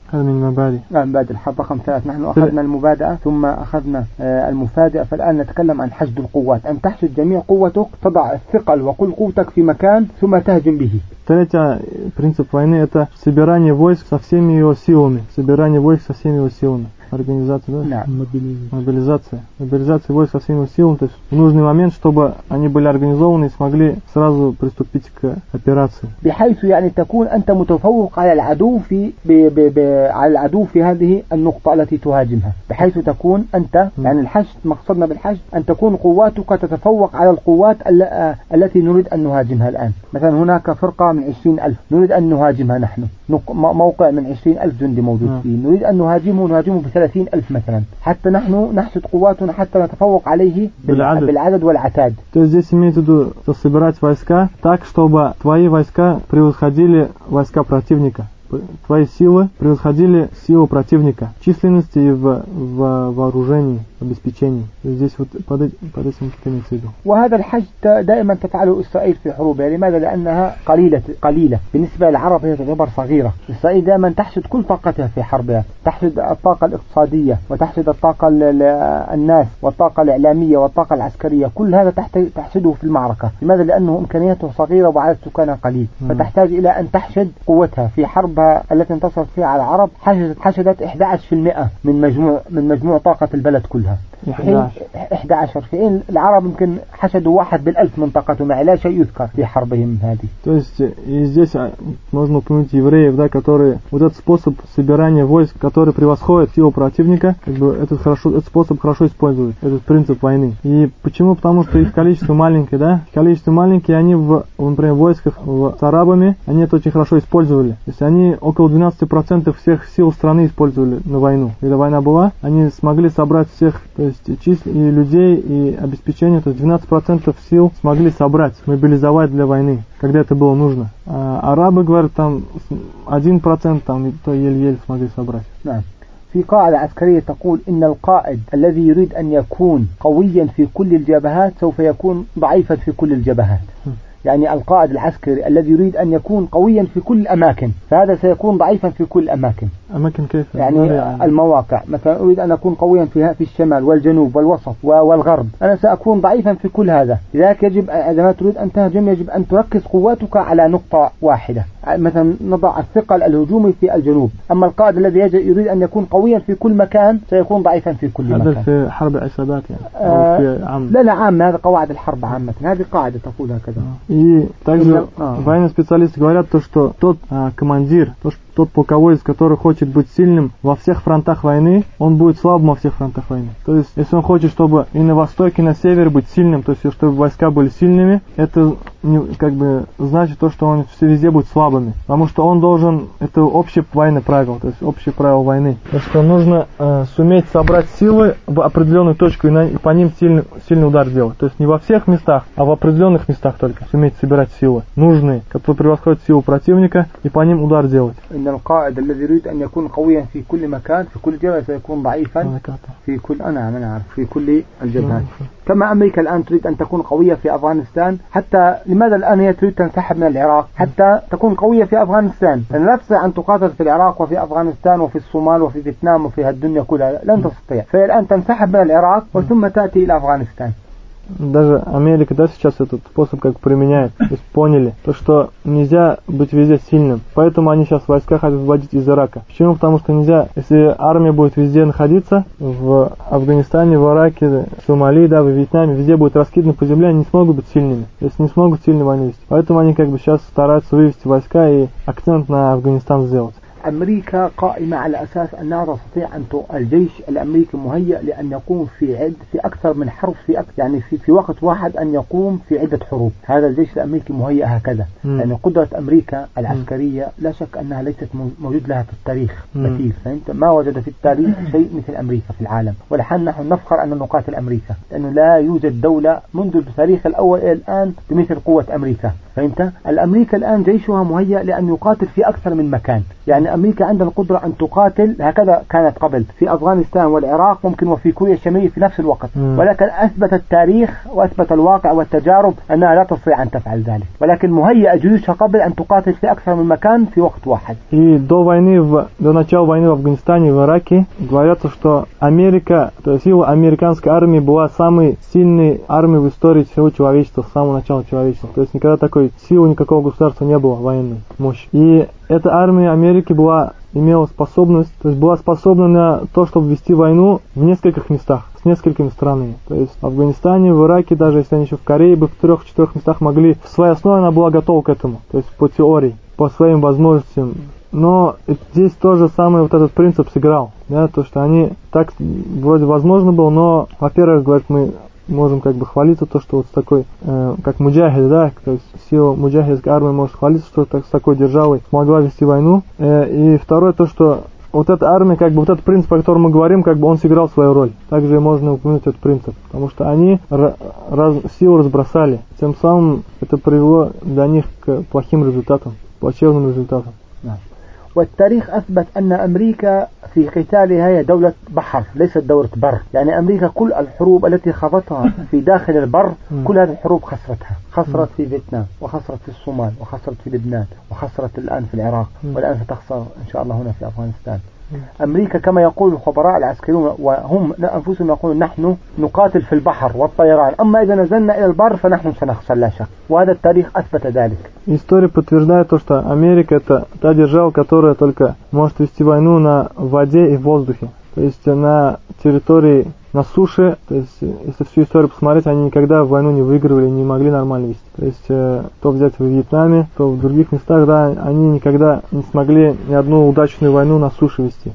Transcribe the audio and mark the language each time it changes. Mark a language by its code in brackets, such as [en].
[ar] هذا من المبادئ مبادئ الحرب رقم 3 نحن أخذنا المبادئة ثم أخذنا المفاجأة فالآن نتكلم عن حشد القوات أن تحشد جميع قوتك تضع الثقل وكل قوتك في مكان ثم تهجم به [ru] Третий принцип войны это собирание войск со всеми его силами. Собирание войск со всеми его силами. Организация, да? Мобилизация. Мобилизация войск со всеми его силами. То есть в нужный момент, чтобы они были организованы и смогли сразу приступить к операции. [ar] بحيث يعني تكون أنت متفوق على العدو في على العدو في هذه النقطة التي تهاجمها. بحيث تكون أنت يعني الحشد مقصدنا بالحشد أن تكون قواتك تتفوق على القوات التي نريد أن نهاجمها الآن. مثلا هناك فرقة من 20,000 نريد أن نهاجمها نحن موقع من 20,000 جندي موجود فيه نريد أن نهاجمه ب30,000 مثلا حتى نحن نحشد قواتنا حتى نتفوق عليه بالعدد والعتاد [ru] то есть здесь имеется в виду собирать войска так чтобы твои войска превосходили войска противника твои силы превосходили силу противника в численности и в вооружении обеспечении здесь вот под этим комитетом [ar] وهذا الحشد دائما تفعله إسرائيل في حروبها لماذا لأنها قليلة بالنسبة للعرب هي تعتبر صغيرة إسرائيل دائما تحشد كل طاقتها في حربها تحشد الطاقة الاقتصادية وتحشد الطاقة للناس والطاقة الإعلامية والطاقة العسكرية كل هذا تحشده في المعركة لماذا لأنه إمكانياته صغيرة وعدد سكانها قليل فتحتاج إلى أن تحشد قوتها في حرب التي انتصرت فيها على العرب حشدت 11% من مجموع طاقة البلد كلها 11 في حين العرب يمكن حشدوا 1% من طاقتهم لا شيء يذكر في حربهم هذه [ru] то есть здесь можно упомянуть евреев да которые вот этот способ собирания войск который превосходит силу противника как бы этот способ хорошо используют этот принцип войны и почему потому что их количество маленькое да количество маленькое они в например войсках с арабами они это очень хорошо использовали то есть они около 12% всех сил страны использовали на войну. Когда война была, они смогли собрать всех, то есть числ и людей, и обеспечение, то есть 12% сил смогли собрать, мобилизовать для войны, когда это было нужно. А арабы, говорят, там 1% там, то еле-еле смогли собрать. Да. [ar] في قاعدة عسكرية تقول إن القائد الذي يريد أن يكون قويا في كل الجبهات سوف يكون ضعيفا في كل الجبهات. يعني القائد العسكري الذي يريد أن يكون قويا في كل الأماكن فهذا سيكون ضعيفا في كل الأماكن أماكن كيف؟ يعني المواقع مثلا أريد أن أكون قويا فيها في الشمال والجنوب والوسط والغرب أنا سأكون ضعيفا في كل هذا لذلك يجب عندما تريد أن تهجم يجب أن تركز قواتك على نقطة واحدة مثلا نضع الثقل الهجومي في الجنوب أما القائد الذي يريد أن يكون قويا في كل مكان سيكون ضعيفا في كل مكان هذا في حرب العصابات يعني لا عام هذا قواعد الحرب عامة هذه قاعدة تقول هكذا [ru] И также военные специалисты говорят, что тот командир, тот полковой, из которых хочет быть сильным во всех фронтах войны, он будет слабым во всех фронтах войны. То есть, если он хочет, чтобы и на востоке, и на севере быть сильным, то есть, чтобы войска были сильными, это не, как бы значит то, что он везде будет слабыми. Потому что он должен... Это общее военное правило, то есть, общее правило войны. То есть, нужно суметь собрать силы в определенную точку и по ним сильный удар делать. То есть, не во всех местах, а в определенных местах только. Суметь собирать силы нужные, которые превосходят силу противника, и по ним удар делать. [ar] إن القائد الذي يريد أن يكون قويا في كل مكان في كل جبهة سيكون ضعيفا في كل أنا من أعرف في كل الجبهات كما أمريكا الآن تريد أن تكون قوية في أفغانستان حتى لماذا الآن هي تريد تنسحب من العراق حتى تكون قوية في أفغانستان لأن لا تستطيع أن تقاتل في العراق وفي أفغانستان وفي الصومال وفي فيتنام وفي هالدنيا كلها لن تستطيع فهي الآن تنسحب من العراق وثم تأتي إلى أفغانستان. [ru] Даже Америка, да, сейчас этот способ как применяет, то есть поняли, то что нельзя быть везде сильным. Поэтому они сейчас войска хотят вводить из Ирака. Почему? Потому что нельзя, если армия будет везде находиться, в Афганистане, в Ираке, в Сомали, да, в Вьетнаме, везде будет раскидано по земле, они не смогут быть сильными. То есть не смогут сильно войну вести. Поэтому они как бы сейчас стараются вывести войска и акцент на Афганистан сделать. [ar] أمريكا قائمة على أساس أنها تستطيع أن الجيش الأمريكي مهيئ لأن يقوم في عد في أكثر من حرب في أكثر يعني في وقت واحد أن يقوم في عدة حروب هذا الجيش الأمريكي مهيئ هكذا لأن قدرة أمريكا العسكرية لا شك أنها ليست موجود لها في التاريخ مثيل فأنت ما وجد في التاريخ شيء مثل أمريكا في العالم ولحن نحن نفخر أن نقاتل أمريكا لأنه لا يوجد دولة منذ التاريخ الأول إلى الآن بمثل قوة أمريكا فأنت الأمريكا الآن جيشها مهيئ لأن يقاتل في أكثر من مكان يعني أمريكا عندها القدرة أن تقاتل هكذا كانت قبل في أفغانستان والعراق ممكن وفي كوريا الشمالية في نفس الوقت ولكن أثبت التاريخ وأثبت الواقع والتجارب أنها لا تستطيع أن تفعل ذلك ولكن مهيئة جيوشها قبل أن تقاتل في أكثر من مكان في وقت واحد. [ru] И до войны до начала войны в Афганистане в Ираке говорится, что Америка, то есть сила американской армии была самой сильной армией в истории всего человечества с самого начала человечества. То есть никогда такой силы никакого государства не было военной мощи. И эта армия Америки была имела способность, то есть была способна на то, чтобы вести войну в нескольких местах, с несколькими странами. То есть в Афганистане, в Ираке, даже если они еще в Корее бы в 3-4 местах могли, в своей основе она была готова к этому, то есть по теории, по своим возможностям. Но здесь тоже самый вот этот принцип сыграл, да, то, что они так вроде возможно было, но, во-первых, говорят, мы можем как бы хвалиться то, что вот с такой как муджахид, да, то есть сила муджахидской армии может хвалиться, что так с такой державой смогла вести войну. И второе то, что вот эта армия, как бы вот этот принцип, о котором мы говорим, как бы он сыграл свою роль. Также можно упомянуть этот принцип, потому что они силу разбросали, тем самым это привело для них к плохим результатам, плачевным результатам. [ar] والتاريخ أثبت أن أمريكا في قتالها هي دولة بحر ليست دولة بر يعني أمريكا كل الحروب التي خاضتها في داخل البر كل هذه الحروب خسرتها خسرت في فيتنام وخسرت في الصومال وخسرت في لبنان وخسرت الآن في العراق والآن ستخسر إن شاء الله هنا في أفغانستان أمريكا كما يقول الخبراء العسكريون وهم أنفسهم يقولون نحن نقاتل في البحر والطيران أما إذا نزلنا إلى البر فنحن سنخسر لا شك وهذا التاريخ أثبت ذلك. [ru] История подтверждает то, что Америка это та держава, которая только может вести войну на воде и в воздухе. То есть на территории на суше, то есть если всю историю посмотреть, они никогда войну не выигрывали, не могли нормально вести. То есть то взять во Вьетнаме, то в других местах, да, они никогда не смогли ни одну удачную войну на суше вести.